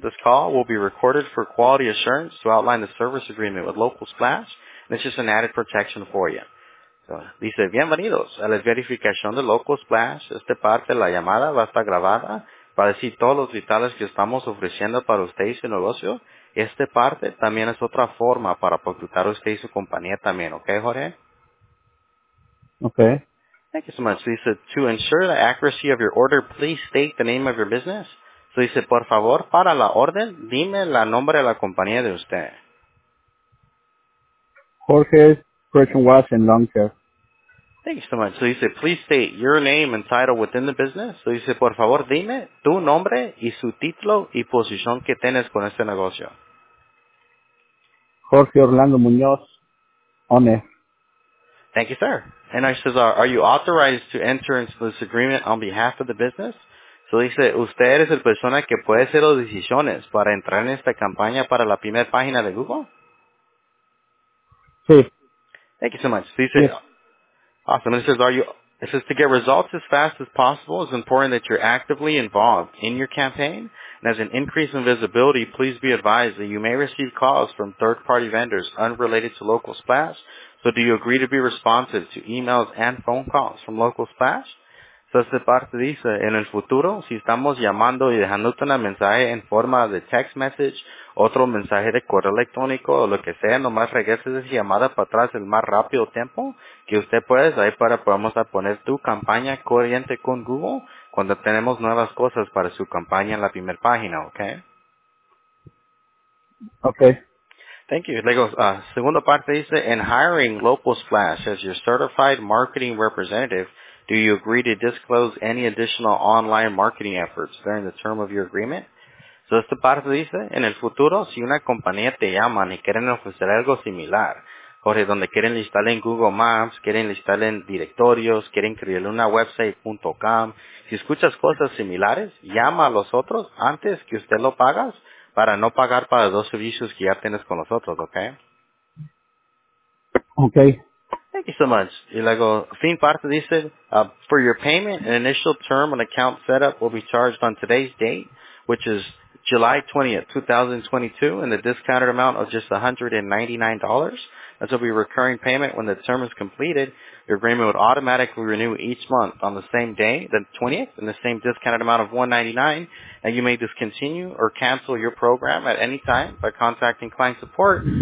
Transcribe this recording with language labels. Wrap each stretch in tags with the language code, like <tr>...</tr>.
<en>This call will be recorded for quality assurance to outline the service agreement with Local Splash. And it's just an added protection for you.</en> <es>So dice, bienvenidos a la verificación de Local Splash. Esta parte, la llamada, va a estar grabada para decir todos los detalles que estamos ofreciendo para usted y su negocio. Esta parte también es otra forma para reclutar a usted y su compañía también. ¿Ok, Jorge? Ok.</es> <en>Thank you so much. So he said, to ensure the accuracy of your order, please state the name of your business. So he said,</en> <es>por favor, para la orden, dime la nombre de la compañía de usted.</es> <en>Jorge, Christian Watts and Lung Care. Thank you so much. So he said, please state your name and title within the business. So he said,</en> <es>por favor, dime tu nombre y su título y posición que tienes con este negocio. Jorge Orlando Muñoz, ONE.</es> <en>Thank you, sir. And I says, are you authorized to enter into this agreement on behalf of the business? So he said,</en> <es>usted es el persona que puede hacer las decisiones para entrar en esta campaña para la primera página de Google? Sí.</es> <en>Thank you so much. So he said, yes. Awesome. And it says, to get results as fast as possible, it's important that you're actively involved in your campaign. And as an increase in visibility, please be advised that you may receive calls from third-party vendors unrelated to Local Splash. So do you agree to be responsive to emails and phone calls from Local Splash?</en> <es>So esta parte dice, en el futuro, si estamos llamando y dejándote un mensaje en forma de text message, otro mensaje de correo electrónico o lo que sea, nomás regreses esa llamada para atrás el más rápido tiempo que usted puede, ahí para podamos poner tu campaña corriente con Google cuando tenemos nuevas cosas para su campaña en la primera página, ¿ok? Ok.</es> <en>Thank you.</en> <es>Luego, segunda parte dice,</es> <en>in hiring Local Splash as your certified marketing representative, do you agree to disclose any additional online marketing efforts during the term of your agreement?</en> <es>So esta parte dice, en el futuro, si una compañía te llama y quieren ofrecer algo similar, Jorge, donde quieren instalar en Google Maps, quieren instalar en directorios, quieren crear una website.com, si escuchas cosas similares, llama a los otros antes que usted lo pagas para no pagar para dos servicios que ya tienes con los otros, ¿ok? Ok.</es> <en>Thank you so much.</en> <es>Y luego, fin parte dice,</es> <en>for your payment, an initial term and account setup will be charged on today's date, which is July 20th, 2022, and the discounted amount of just $199. This will be a recurring payment. When the term is completed, your agreement would automatically renew each month on the same day, the 20th, and the same discounted amount of $199, and you may discontinue or cancel your program at any time by contacting client support.</en>